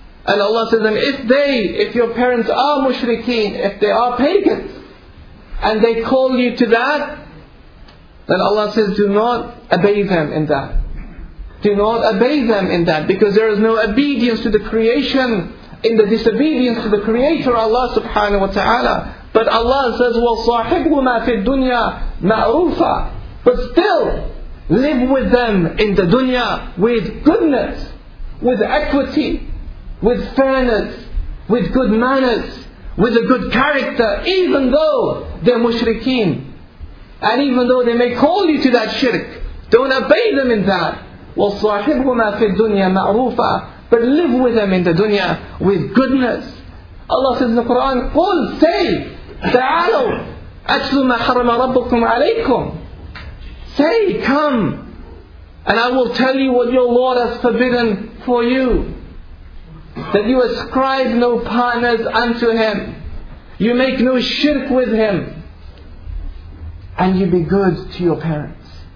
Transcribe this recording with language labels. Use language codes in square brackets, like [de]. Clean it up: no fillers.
[en] And Allah says, and if your parents are mushrikeen, if they are pagans, and they call you to that, then Allah says, do not obey them in that. Do not obey them in that. Because there is no obedience to the creation in the disobedience to the Creator, Allah subhanahu wa ta'ala. But Allah says, [ar] وَصَاحِبْهُمَا فِي الدُّنْيَا مَعْرُوفًا. [en] But still, live with them in the dunya with goodness, with equity, with fairness, with good manners, with a good character, even though they're mushrikeen. And even though they may call you to that shirk, don't obey them in that. [ar] وَصَاحِبْهُمَا فِي الدُّنْيَا مَعْرُوفًا. [en] But live with them in the dunya with goodness. Allah says in the Quran, [ar] قُلْ [en] say, [ar] تَعَالَوْا أَتْلُوا مَا حَرَمَ رَبُّكُمْ عَلَيْكُمْ. [en] Say, come, and I will tell you what your Lord has forbidden for you. That you ascribe no partners unto Him. You make no shirk with Him. And you be good to your parents.